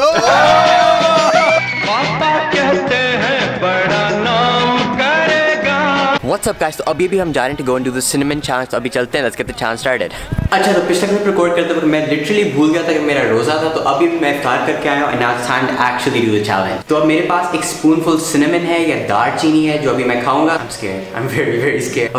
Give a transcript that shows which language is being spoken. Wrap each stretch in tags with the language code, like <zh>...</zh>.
<hi>पापा कहते हैं बड़ा नाम करेगा.</hi> <en>What's up guys?</en> <hi>तो अभी भी हम जा रहे हैं</hi> <en>to go and do the cinnamon challenge.</en> <hi>तो अभी चलते हैं.</hi> <en>Let's get the challenge started.</en> <hi>अच्छा तो पिछले क्लिप रिकॉर्ड करते वक्त मैं लिटरली भूल गया था कि मेरा रोजा था. तो अभी मैं इफ्तार करके आया हूँ</hi> <en>And I stand actually do the challenge.</en> <hi>तो अब मेरे पास एक स्पूनफुल सिनेमन है या दालचीनी है जो अभी मैं खाऊंगा.</hi> <en>I am scared. I am very very scared.</en>